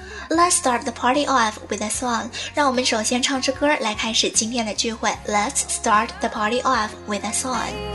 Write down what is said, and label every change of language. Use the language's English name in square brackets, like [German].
[English] Let's start the party off with a song. [Chinese] 让我们首先唱支歌来开始今天的聚会。 [English] Let's start the party off with a song.